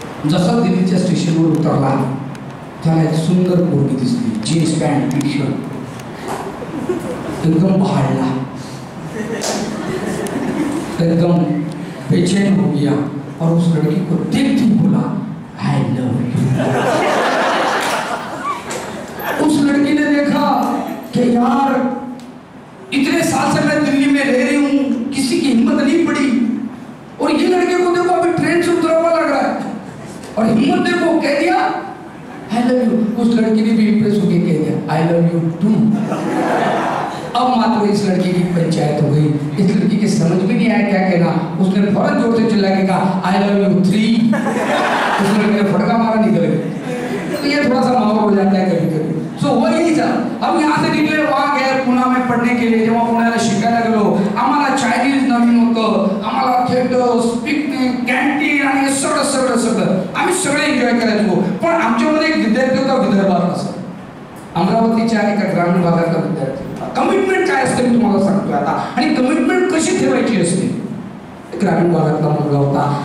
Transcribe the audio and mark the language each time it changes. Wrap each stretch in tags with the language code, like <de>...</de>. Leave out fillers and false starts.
<mr>जसं दिल्लीच्या स्टेशनवर उतरला त्याला एक सुंदर पोरगी दिसली, जीन्स पॅन्ट टी शर्ट, एकदम पहाडला,</mr> <hi>एकदम बेचैन हो गया और उस लड़की को देखते ही बोला</hi> <en>I love you.</en> <hi>उस लड़की ने देखा कि यार इतने साल से मैं दिल्ली में रह रही हूं, किसी की हिम्मत नहीं पड़ी, और ये लड़के को देखो अभी ट्रेन से उतरा हुआ लग रहा है, और हिम्मत देखो कह दिया</hi> <en>I love you.</en> <hi>उस लड़की ने भी इंप्रेस होकर कह दिया</hi> <en>I love you too.</en> <hi>अब मात्र इस लड़की की पंचायत हो गई, इस लड़की के समझ में नहीं आया क्या कहना, उसने फौरन जोर से चिल्ला के कहा</hi> <en>I love you three.</en> <hi>उस लड़की ने फटका मारा निकल गई। तो ये थोड़ा सा माहौल हो जाता है कभी कभी। सो वही सर, अब यहाँ से निकले वहां गए पुणे में पढ़ने के लिए, जब वहां पुणे शिकायत करो हमारा चाइनीज नवीन होता, हमारा थिएटर पिकनिक कैंटीन</hi> <mr>आणि सगळं सगळं सगळं आम्ही सगळे एन्जॉय करायचो, पण आमच्यामध्ये एक विद्यार्थी होता विदर्भातला, सर अमरावतीच्या एका ग्रामीण भागातला विद्यार्थी, कमिटमेंट काय असते मी तुम्हाला सांगतोय आता, आणि कमिटमेंट कशी ठेवायची असते, ग्रामीण भागातला मुलगा होता।</mr>